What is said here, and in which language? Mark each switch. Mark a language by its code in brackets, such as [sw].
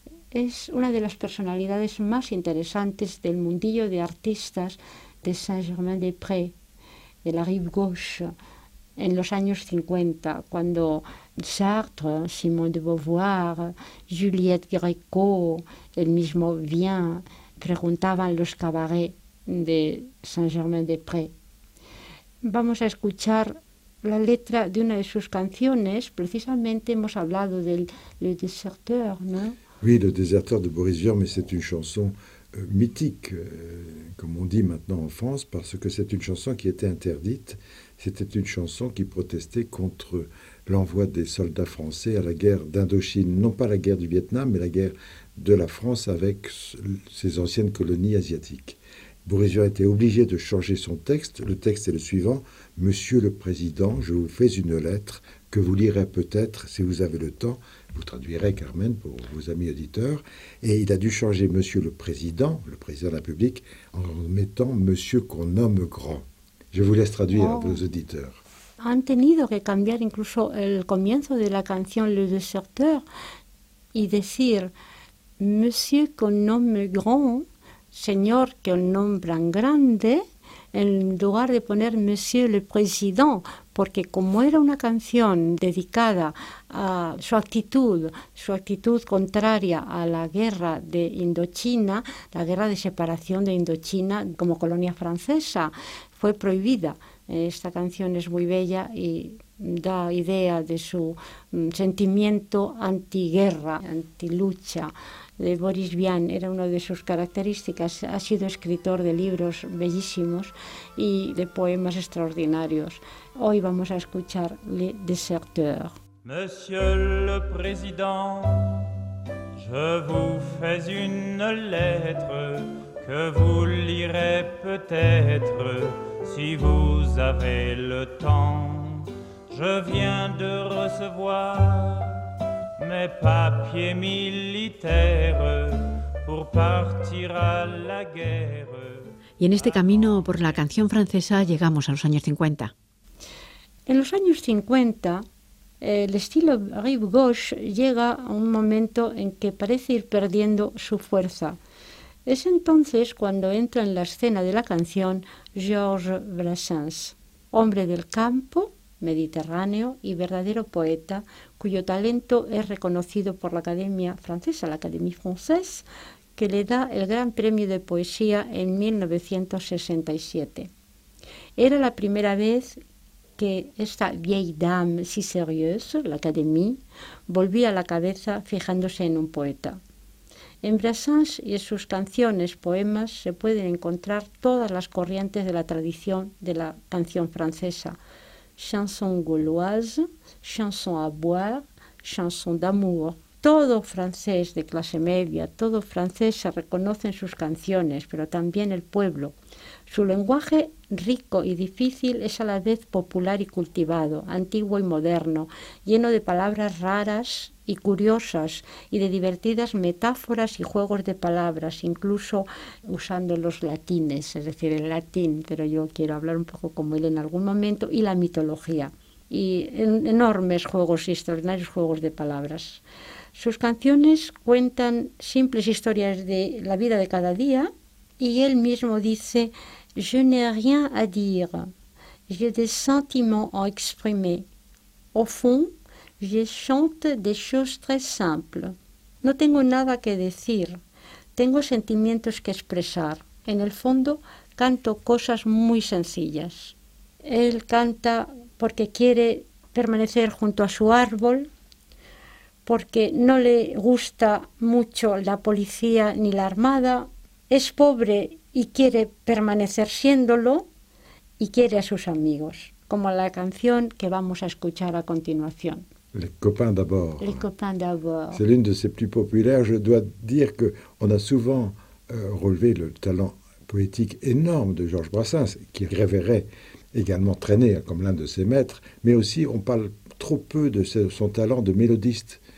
[es] Es una de las personalidades más interesantes del mundillo de artistas de Saint-Germain-des-Prés, de la Rive Gauche, en los años 50, cuando Sartre, Simone de Beauvoir, Juliette Gréco, el mismo Vian, preguntaban los cabarets de Saint-Germain-des-Prés. Vamos a escuchar la letra de una de sus canciones. Precisamente hemos hablado del Le Déserteur, ¿no? [fr] Oui, Le Déserteur de Boris Vian, mais c'est une chanson mythique, comme on dit maintenant en France, parce que c'est une chanson qui était interdite. C'était une chanson qui protestait contre l'envoi des soldats français à la guerre d'Indochine. Non pas la guerre du Vietnam, mais la guerre de la France avec ses anciennes colonies asiatiques. Bourrissieu a été obligé de changer son texte. Le texte est le suivant. « Monsieur le Président, je vous fais une lettre que vous lirez peut-être, si vous avez le temps. » Vous traduirez, Carmen, pour vos amis auditeurs. Et il a dû changer « Monsieur le Président de la République », en mettant « Monsieur qu'on nomme grand ». Je vous laisse traduire à vos auditeurs. [es] Han tenido que cambiar incluso el comienzo de la canción Le Déserteur y decir [fr] Monsieur qu'on nomme grand, [es] señor que nombran grande, en lugar de poner [fr] Monsieur le Président, [es] porque como era una canción dedicada a su actitud contraria a la guerra de Indochina, la guerra de separación de Indochina como colonia francesa, fue prohibida. Esta canción es muy bella y da idea de su sentimiento antiguerra, antilucha, de Boris Vian. Era una de sus características. Ha sido escritor de libros bellísimos y de poemas extraordinarios. Hoy vamos a escuchar Le Déserteur. Monsieur le Président, je vous fais une lettre que vous lirez peut-être. Si vous avez le temps, je viens de recevoir mes papiers militaires pour partir à la guerre. Y en este camino por la canción francesa llegamos a los años 50. En los años 50, el estilo Rive Gauche llega a un momento en que parece ir perdiendo su fuerza. Es entonces cuando entra en la escena de la canción Georges Brassens, hombre del campo, mediterráneo y verdadero poeta, cuyo talento es reconocido por la Academia Francesa, la Académie Française, que le da el Gran Premio de Poesía en 1967. Era la primera vez que esta [fr] vieille dame si sérieuse, [es] la Académie, volvía la cabeza fijándose en un poeta. En Brassens y en sus canciones, poemas, se pueden encontrar todas las corrientes de la tradición de la canción francesa. [fr] Chanson gauloise, chanson à boire, chanson d'amour. [es] Todo francés de clase media, todo francés se reconoce en sus canciones, pero también el pueblo. Su lenguaje, rico y difícil, es a la vez popular y cultivado, antiguo y moderno, lleno de palabras raras y curiosas y de divertidas metáforas y juegos de palabras, incluso usando los latines, es decir, el latín, pero yo quiero hablar un poco como él en algún momento, y la mitología, y enormes juegos y extraordinarios juegos de palabras. Sus canciones cuentan simples historias de la vida de cada día y él mismo dice: [fr] Je n'ai rien à dire, j'ai des sentiments à exprimer. Au fond, je chante des choses très simples. [es] No tengo nada que decir, tengo sentimientos que expresar. En el fondo, canto cosas muy sencillas. Él canta porque quiere permanecer junto a su árbol, porque no le gusta mucho la policía ni la armada, es pobre y quiere permanecer siéndolo, y quiere a sus amigos, como la canción que vamos a escuchar a continuación. [fr] Les copains d'abord. Les copains d'abord. C'est l'une de ses plus populaires. Je dois dire que on a souvent relevé le talent poétique énorme de Georges Brassens, qui révérait également Trenet comme l'un de ses maîtres, mais aussi on parle trop peu de son talent de mélodiste.